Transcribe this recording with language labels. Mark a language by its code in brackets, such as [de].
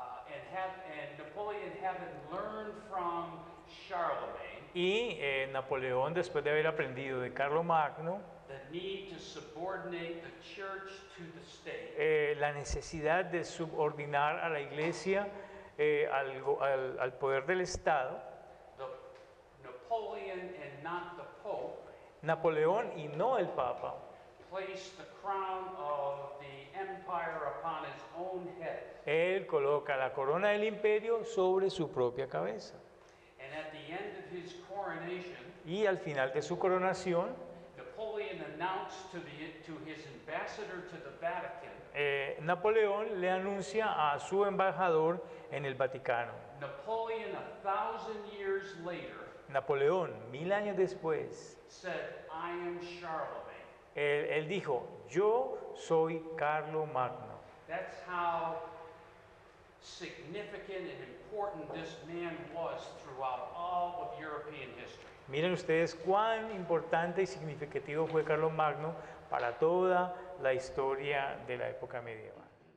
[en] And Napoleon having learned from Charlemagne. [es] Y Napoleón, después de haber aprendido de Carlos Magno, [en] the need to subordinate the church to the state. [es] La necesidad de subordinar a la iglesia al poder del Estado. [en] Napoleon and not the Pope. [es] Napoleón y no el Papa. [en] Placed the crown of the empire upon his own head. [es] Él coloca la corona del imperio sobre su propia cabeza. [en] And at the end of his coronation, [es] y al final de su coronación, [en] Napoleon announced to his ambassador to the Vatican. [es] Napoleón le anuncia a su embajador en el Vaticano. [en] Napoleon, 1,000 years later. [es] Napoleón, 1,000 años después, [en] said, I am Charlemagne. [es] Él dijo, yo soy Carlos Magno. [en] That's how significant and important this man was throughout all of European history. [es] Miren ustedes cuán importante y significativo fue Carlos Magno para toda la historia de la época medieval.